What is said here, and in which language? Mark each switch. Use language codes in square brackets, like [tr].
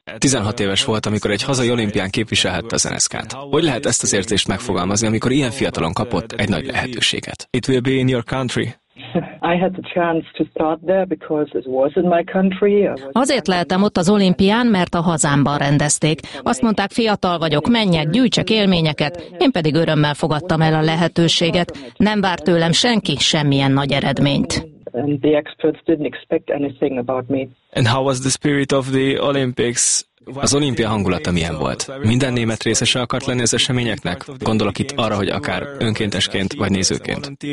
[hu] 16 éves volt, amikor egy hazai olimpián képviselhette az NSK-t. Hogy lehet ezt az érzést megfogalmazni, amikor ilyen fiatalon kapott egy nagy lehetőséget? [en] It will be in your country. I had the chance to start there because it was in my country. [hu] Azért lehettem ott az olimpián, mert a hazámban rendezték. Azt mondták, fiatal vagyok, menjek, gyűjtsek élményeket. Én pedig örömmel fogadtam el a lehetőséget. Nem várt tőlem senki semmilyen nagy eredményt. [en] And the experts didn't expect anything about me. And how was the spirit of the Olympics? [hu] Az olimpia hangulata milyen volt? Minden német részese akart lenni az eseményeknek? Gondolok itt arra, hogy akár önkéntesként vagy nézőként.